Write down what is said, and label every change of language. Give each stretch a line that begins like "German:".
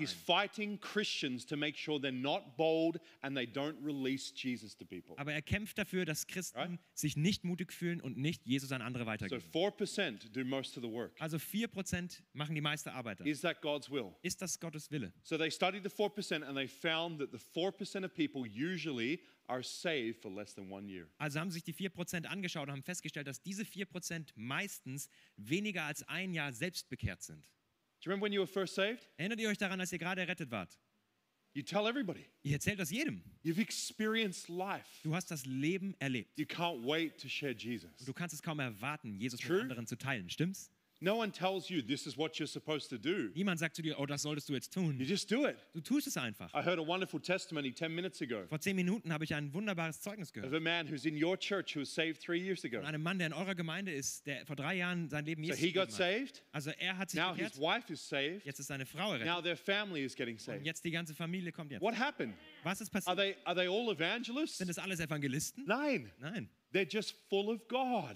English: But he's fighting Christians to make sure they're not bold and they don't release Jesus to people.
German: Aber er kämpft dafür, dass Christen sich nicht mutig fühlen und nicht Jesus an andere weitergeben.
English: So 4% do most of the work.
German: Also 4% machen die meiste Arbeit.
English: Is that God's will?
German: Ist das Gottes Wille?
English: So they studied the 4% and they found that the 4% of people usually are saved for less than 1 year.
German: Also haben sich die 4% angeschaut und haben festgestellt, dass diese 4% meistens weniger als ein Jahr selbst bekehrt sind.
English: Do you remember when you were first saved?
German: Erinnert ihr euch daran, als ihr gerade errettet wart?
English: You tell everybody.
German: Ihr erzählt das jedem.
English: You've experienced life.
German: Du hast das Leben erlebt.
English: You can't wait to share Jesus.
German: Du kannst es kaum erwarten, Jesus mit anderen zu teilen. Stimmt's?
English: No one tells you this is what you're supposed to do.
German: Niemand sagt zu dir, oh, das solltest du jetzt tun.
English: You just do it.
German: Du tust es einfach.
English: I heard a wonderful testimony 10 minutes ago.
German: Vor 10 Minuten habe ich ein wunderbares Zeugnis gehört.
English: Of a man who's in your church who was saved 3 years ago.
German: Ein Mann, der in eurer Gemeinde ist, der vor 3 Jahren sein Leben Jesus gegeben hat.
English: So he got saved.
German: Also er hat sich
English: Now
German: bekehrt.
English: His wife is saved.
German: Jetzt ist seine Frau errettet.
English: Now their family is getting saved.
German: Und jetzt die ganze Familie kommt jetzt.
English: What happened?
German: Was ist passiert?
English: Are they all evangelists?
German: Sind das alles Evangelisten? Nein. Nein.
English: They're just full of God.